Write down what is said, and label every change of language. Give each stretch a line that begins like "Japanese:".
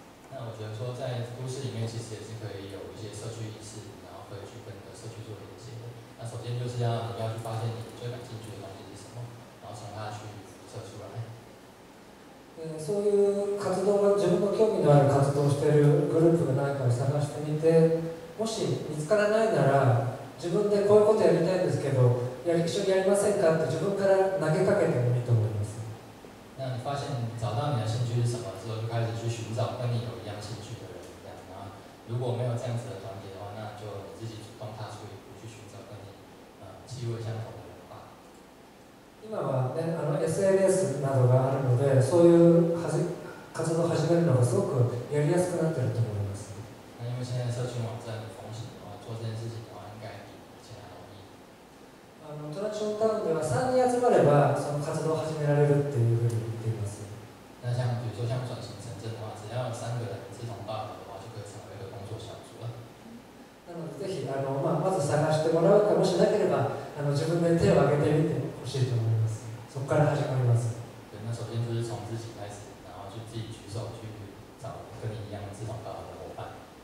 Chinese: 那我觉得说在都市里面其实也是可以有一些社区意识，然后可以去跟你的社区做连接。那首先就是你要去发现你最感兴趣的东西是什么，然后从它去辐射出来。
Japanese: そういう活動が自分の興味のある活動をしているグループがないかを探してみて、もし見つからないなら、自分でこういうことやりたいんですけど、一緒にやりませんかって自分から投げかけてもいいと思います。
Chinese: 那你发现找到你的兴趣是什么之后，就开始去寻找跟你有一样兴趣的人，这样。然后如果没有这样子的团体的话，那就你自己主动踏出一步去寻找跟你气味相同。
Japanese: 今は、ね、SNS などがあるので、そういう活動を始めるのがすごくやりやすくなっていると思います。
Chinese: 那因为现在社群网站风行的话，做这件事情的话应该比其他容易。
Japanese: トラチオンタウンでは3人集まればその活動を始められるっていうふうに言っています。
Chinese: 那像比如说像转型城镇的话，只要三个人志同道合的话，就可以成为一个工作小组了。
Japanese: なのでぜひまず探してもらうか、もしなければ自分で手を挙げてみて。欲しいと思います。そこから始まります。
Chinese: で、那首先就是从自己开始，然后就自己举手去找跟你一样志同道合的伙伴。